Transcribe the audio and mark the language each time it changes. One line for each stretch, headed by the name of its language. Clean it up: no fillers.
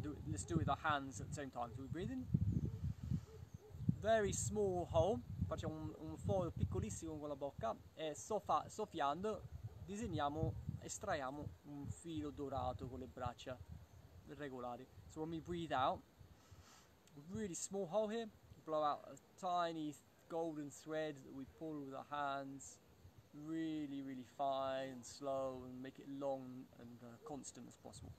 English: Let's do it with our hands at the same time. So we breathe in. Very small hole,
Italian: facciamo un foro piccolissimo con la bocca e soffiando disegniamo, estraiamo un filo dorato con le braccia regolari.
English: So when we breathe out, really small hole here, blow out a tiny golden thread that we pull with our hands, really, really fine and slow, and make it long and constant as possible.